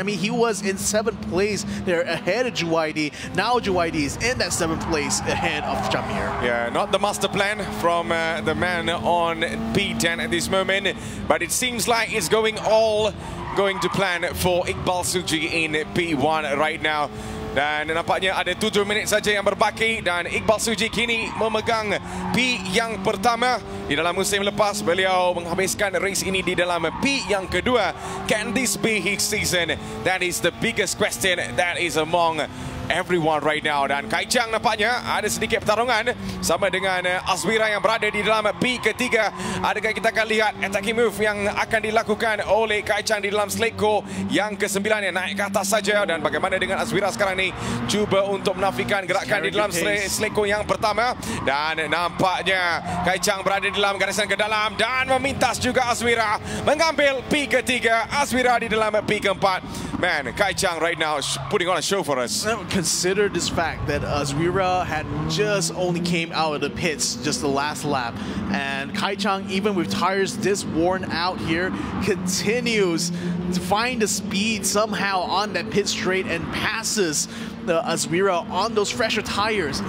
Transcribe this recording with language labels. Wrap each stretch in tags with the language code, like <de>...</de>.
<en>I mean, he was in seventh place there ahead of GYD. Now GYD is in that seventh place ahead of Jamir. Yeah, not the master plan from the man on P10 at this moment, but it seems like it's going to plan for Iqbal Suci in P1 right now.</en> <ms>Dan nampaknya ada 7 minit saja yang berbaki dan Iqbal Suci kini memegang P yang pertama. Di dalam musim lepas, beliau menghabiskan race ini di dalam P yang kedua.</ms> <en>Can this be his season? That is the biggest question that is among everyone right now.</en> <ms>Dan Kai Chang nampaknya ada sedikit pertarungan sama dengan Azwira yang berada di dalam P ketiga. Adakah kita akan lihat</ms> <en>attacking move</en> <ms>yang akan dilakukan oleh Kai Chang di dalam Sleko yang ke-9 yang naik ke atas saja? Dan bagaimana dengan Azwira sekarang ni, cuba untuk menafikan gerakan di dalam Sleko yang pertama. Dan nampaknya Kai Chang berada di dalam garisan ke dalam dan memintas juga Azwira, mengambil P ketiga.</ms> <en>Azwira</en> <ms>di dalam P keempat.</ms> <en>Man, Kai Chang right now is putting on a show for us. Consider this fact that Azwira had just only came out of the pits just the last lap, and Kai Chang, even with tires this worn out here, continues to find the speed somehow on that pit straight and passes Azwira on those fresher tires.</en>